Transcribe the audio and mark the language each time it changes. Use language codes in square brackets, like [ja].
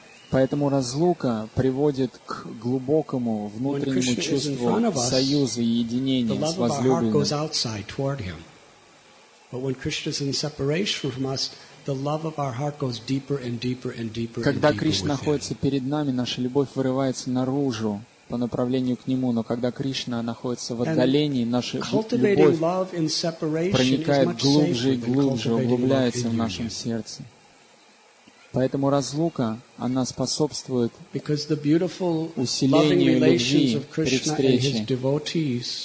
[ru] Поэтому разлука приводит к глубокому внутреннему чувству союза и единения с возлюбленным. [en] But when Krishna is in separation from us, the love of our heart goes deeper and deeper and deeper. [ru] Когда Кришна находится перед нами, наша любовь вырывается наружу по направлению к Нему, но когда Кришна находится в отдалении, наша любовь проникает глубже и глубже, углубляется в нашем сердце. Поэтому разлука, она способствует усилению любви при встрече.